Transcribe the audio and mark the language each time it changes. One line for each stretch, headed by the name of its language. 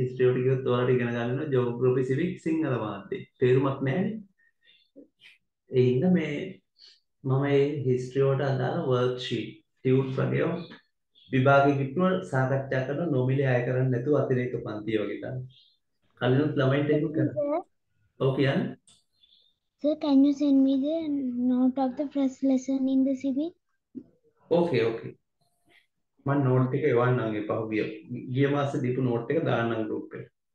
Sinhala: History වලට ගියොත් ඔයාලට ඉගෙන ගන්න ජියෝග්‍රැෆි සිවික් සිංහල මාතේ. තේරුමක් නැහැනේ. ඒ හින්දා මේ මම ඒ හිස්ටරි වලට අදාළ වර්ක්ෂීට් ටියුට් වගේ විභාගෙ කිතුන සාකච්ඡා කරන නොමිලේ අය කරන්නේ නැතුව අතිරේක පන්ති වගේ ගන්න. කලිනුත් ළමයින්ට ඒක කරා. ඔව් කියන්න.
English: So can you send me the note of the first lesson in the civic? Okay, okay.
Sinhala: මම note එක එවන්නම් එපහු ගිය ගිය මාසේ දීපු note එක දාන්නම් group එකට.